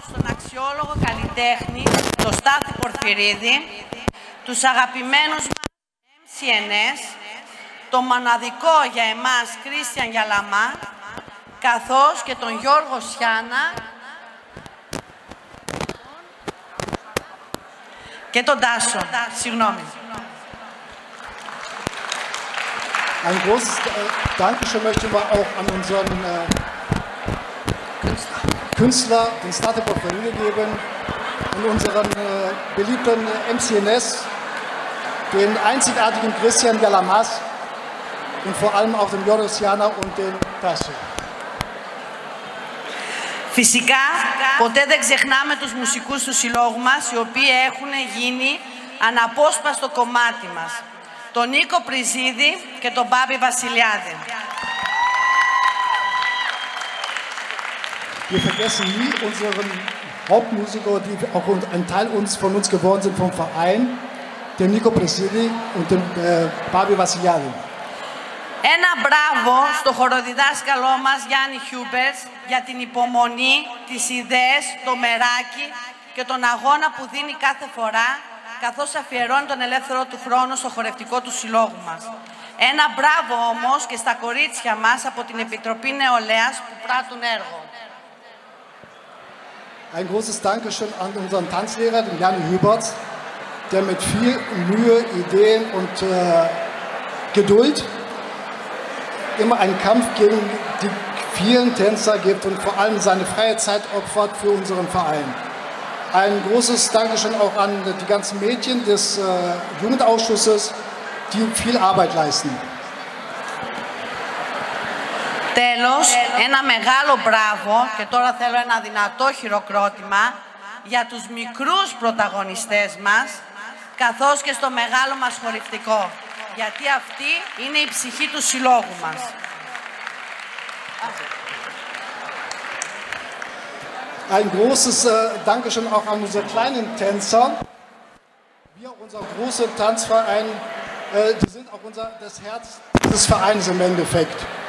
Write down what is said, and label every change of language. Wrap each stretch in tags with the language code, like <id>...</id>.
<el>Αξιόλογο καλλιτέχνη, το Στάθη Πορφυρίδη, τους αγαπημένους MCNS, το μοναδικό για εμάς Κρίστιαν Γιαλαμά, καθώς και τον Γιώργο Σιάνα και τον Τάσο. Συγγνώμη.</el> <de>Ein großes Dankeschön möchten wir auch an unseren Künstler, den Stade Porfirio geben und unseren beliebten MCNS, den einzigartigen Christian Galamas und vor allem auch den Joris Jana und den Tasso.</de> <el>Φυσικά, ποτέ δεν ξεχνάμε τους μουσικούς του συλλόγου μας, οι οποίοι έχουν γίνει αναπόσπαστο κομμάτι μας. τον Νίκο Πριζίδη και τον Μπάμπη Βασιλιάδη.</el> <de>Wir vergessen nie unseren Hauptmusiker, die auch ein Teil uns von uns geworden sind vom Verein, den Nico Presidi und den Babi Vassiliadi.</de> <el>Ένα μπράβο στο χοροδιδάσκαλό μας Γιάννη Χιούμπερς για την υπομονή, τις ιδέες, το μεράκι και τον αγώνα που δίνει κάθε φορά, καθώς αφιερώνει τον ελεύθερο του χρόνο στο χορευτικό του συλλόγου μας. Ένα μπράβο όμως και στα κορίτσια μας από την Επιτροπή Νεολαίας που πράττουν έργο.</el> <de>Ein großes Dankeschön an unseren Tanzlehrer, den Jan Hübert, der mit viel Mühe, Ideen und Geduld immer einen Kampf gegen die vielen Tänzer gibt und vor allem seine freie Zeit opfert für unseren Verein. Ein großes Dankeschön auch an die ganzen Mädchen des Jugendausschusses, die viel Arbeit leisten.</de> <el>Τέλος, ένα μεγάλο μπράβο και τώρα θέλω ένα δυνατό χειροκρότημα για τους μικρούς πρωταγωνιστές μας, καθώς και στο μεγάλο μας χορηγητικό. Γιατί αυτή είναι η ψυχή του συλλόγου μας.</el> <de>Ein großes Dankeschön auch an unsere kleinen Tänzer. Wir, unser großer Tanzverein, die sind auch unser, das Herz des Vereins im Endeffekt.</de>